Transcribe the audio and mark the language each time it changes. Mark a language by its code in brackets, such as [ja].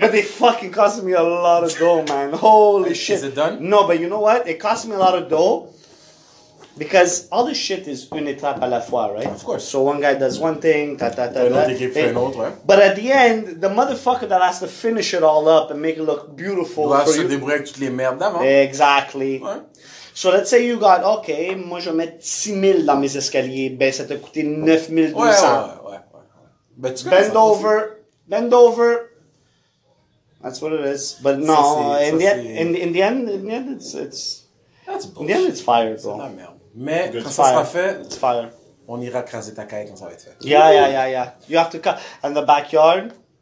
[en] But they fucking cost me a lot of dough, man. Holy shit. Is it done? No, but you know what? It cost me a lot of dough. Because all the shit is [fr] une étape à la fois, [en] right? Of course. So one guy does one thing, ta-ta-ta-ta. Another guy for another, right? But at the end, the motherfucker that has to finish it all up and make it look beautiful for you. [fr] Doit se débrouiller avec toutes les merdes d'avant. [en] Exactly. [fr] Ouais. [en] So let's say you got, [fr] OK, moi je vais mettre 6,000 dans mes escaliers. Ben, ça t'a coûté 9,200. Ouais. [en] But bend over. That's what it is. But no, in the end, it's... That's bullshit. Then it's fire, bro. [fr] Mais [en] good. [fr] Quand fire. Ça sera fait, [en] it's fire. [fr] On ira craser ta caille quand ça va être fait. [en] Yeah. You have to cut. And the backyard,